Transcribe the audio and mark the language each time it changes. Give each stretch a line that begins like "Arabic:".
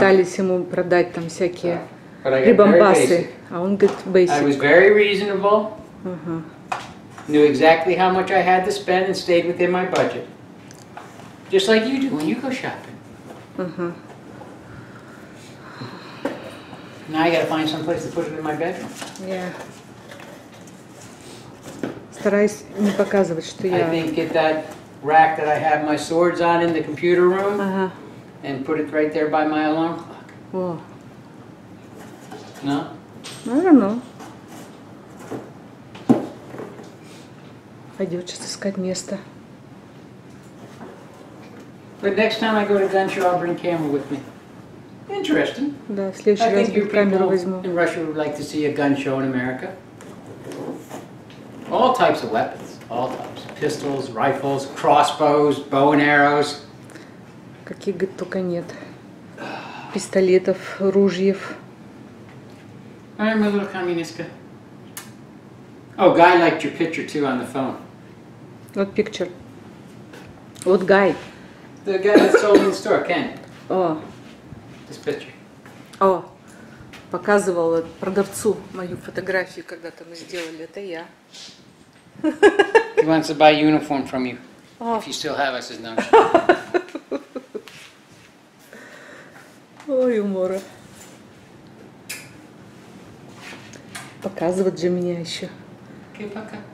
Russian: Пытались ему продать там всякие рибомбасы, а он говорит basic.
English: I was very reasonable. Knew exactly how much I had to spend and stayed within my budget. Just like you do when you go shopping. Uh-huh. Now I gotta find some place to put it in my bedroom. Yeah.
Russian: Стараюсь не показывать, что я.
English: I think get that rack that I have my swords on in the computer room and put it right there by my alarm clock. Oh. No? I don't know.
Russian: Пойдет сейчас искать место.
English: But next time I go to venture, I'll bring camera with me. Interesting.
Russian: Да, в следующий раз беру камеру возьму.
English: In Russia, would like to see a gun show in America. All types of weapons, all types: pistols, rifles, crossbows, bow and arrows.
Russian: Каких говорит, только нет. Пистолетов, ружьев.
English: I'm a little communistка. Oh, guy liked your picture too on the phone. What picture? What guy? The guy that sold in the store, Ken. Oh. This picture. Oh.
Russian: Показывал продавцу мою фотографию, когда-то мы сделали. Это я.
English: He wants to buy a uniform from you. Oh. If you still have us, his number.
Russian: Ой, умора. Показывает же меня еще.
English: Okay,
Russian: пока.